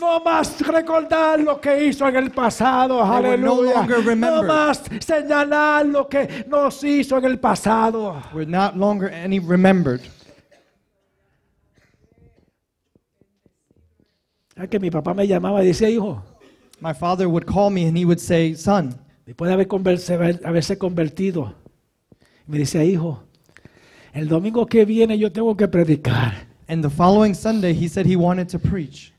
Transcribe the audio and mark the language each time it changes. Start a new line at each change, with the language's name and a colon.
Spanish: No más recordar lo que hizo en el pasado.
English: Aleluya. No longer remember.
Spanish: No más señalar lo que nos hizo en el pasado.
English: We're not longer any remembered.
Spanish: Es que mi papá me llamaba y decía, hijo.
English: My father would call me and he would say, son.
Spanish: Después de haberse convertido, me decía, hijo, el domingo que viene yo tengo que predicar.
English: And the following Sunday, he said he wanted to preach.